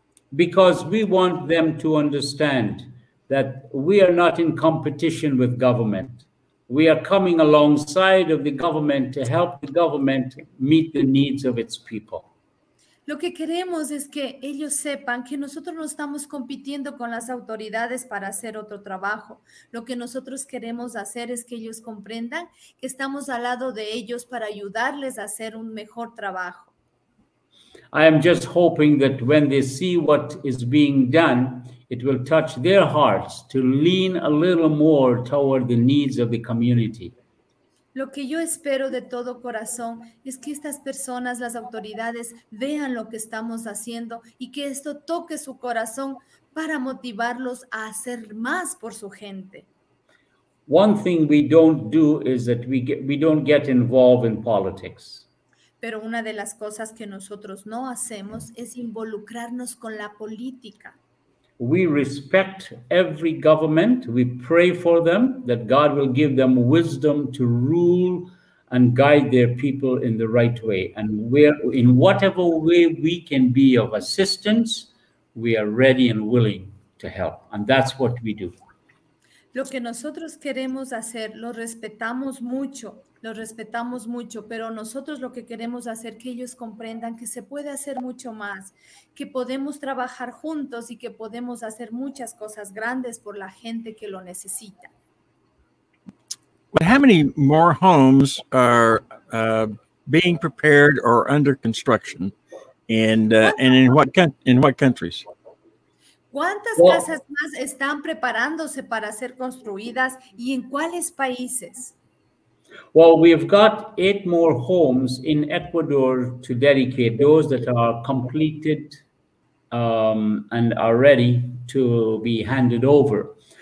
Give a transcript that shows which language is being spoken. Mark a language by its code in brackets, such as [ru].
[en] Because we want them to understand that we are not in competition with government. We are coming alongside of the government to help the government meet the needs of its people. [es] Lo que queremos es que ellos sepan que nosotros no estamos compitiendo con las autoridades para hacer otro trabajo. Lo que nosotros queremos hacer es que ellos comprendan que estamos al lado de ellos para ayudarles a hacer un mejor trabajo. [en] I am just hoping that when they see what is being done, it will touch their hearts to lean a little more toward the needs of the community. [es] Lo que yo espero de todo corazón es que estas personas, las autoridades, vean lo que estamos haciendo y que esto toque su corazón para motivarlos a hacer más por su gente. [en] One thing we don't do is that we don't get involved in politics. [es] Pero una de las cosas que nosotros no hacemos es involucrarnos con la política. [en] We respect every government. We pray for them that God will give them wisdom to rule and guide their people in the right way. And we're, in whatever way we can be of assistance, we are ready and willing to help. And that's what we do. [es] Lo que nosotros queremos hacer, lo respetamos mucho, pero nosotros lo que queremos hacer que ellos comprendan que se puede hacer mucho más, que podemos trabajar juntos y que podemos hacer muchas cosas grandes por la gente que lo necesita. [en] But how many more homes are being prepared or under construction, and in what countries? [es] ¿Cuántas casas más están preparándose para ser construidas y en cuáles países? [en] Well, we've got 8 more homes in Ecuador to dedicate, those that are completed and are ready to be handed over.